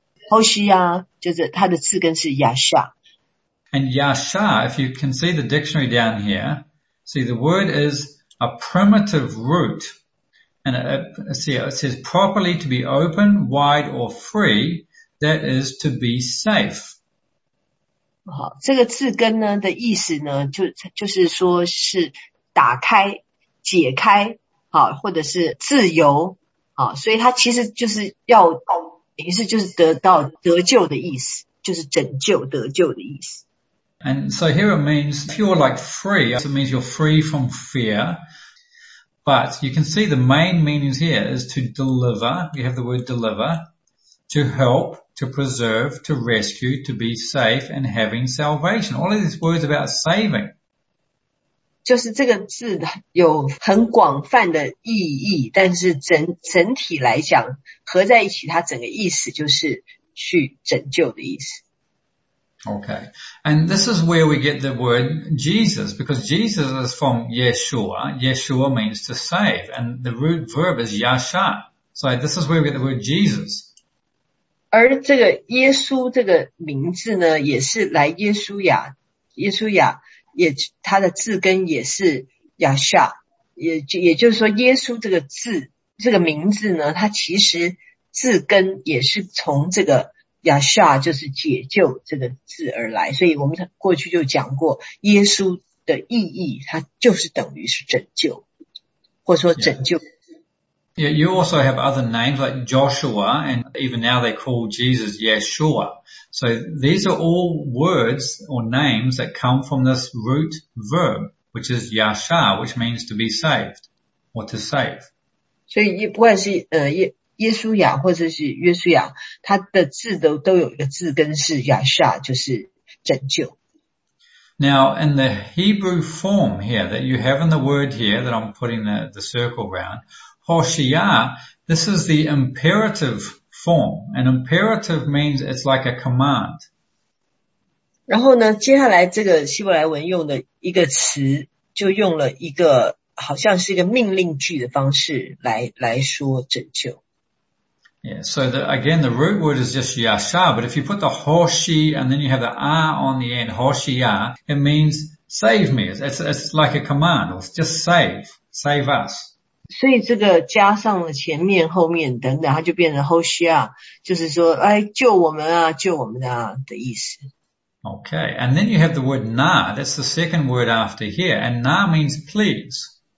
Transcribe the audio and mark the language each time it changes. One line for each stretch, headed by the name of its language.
Chinese: Hoshiya, 就是它的字根是 Yasha.
English: And Yasha, if you can see the dictionary down here, see the word is a primitive root. And it says properly to be open, wide, or free,That is to be safe.
Chinese: 好，这个字根呢的意思呢，就是说是打开，解开啊，或者是自由啊，所以他其实就是要等于是就是得到得救的意思，就是拯救得救的意思。
English: And so here it means if you're like free, so it means you're free from fear. But you can see the main meanings here is to deliver. You have the word deliver, to help, to preserve, to rescue, to be safe, and having salvation. All of these words about saving.
Chinese: 就是这个字有很广泛的意义，但是整体来讲，合在一起，它整个意思就是去拯救的意思。
English: Okay, and this is where we get the word Jesus, because Jesus is from Yeshua. Yeshua means to save, and the root verb is Yasha. So this is where we get the word Jesus.
Chinese: 而这个耶稣这个名字呢，也是来耶稣亚，耶稣亚也它的字根也是 Yasha， 也就是说耶稣这个字这个名字呢，它其实字根也是从这个。 Yasha 就是解救这个字而来，所以我们过去就讲过，耶稣的意义，它就是等于是拯救，或者说拯救。
English: Yeah. Yeah, you also have other names like Joshua, and even now they call Jesus Yeshua. So these are all words or names that come from this root verb, which is Yasha, which means to be saved or to save.
Chinese: 所以不管是耶稣亚或者是约书亚，他的字都有一个字根是 Yasha， 就是拯救。
English: Now in the Hebrew form here that you have in the word here that I'm putting the circle around, Hoshia, this is the imperative form. An imperative means it's like a command.
Chinese: 然后呢，接下来这个希伯来文用的一个词，就用了一个好像是一个命令句的方式来说拯救。
English: Yeah, so again, the root word is just Yasha, but if you put the Hoshi and then you have the R on the end, Hoshia, it means save me. It's like a command. It's just save us.
Chinese: 所以这个加上了前面、后面等等，它就变成 Hoshia， 就是说，哎，救我们啊，救我们啊的意思。
English: Okay, and then you have the word Na. That's the second word after here, and Na means please.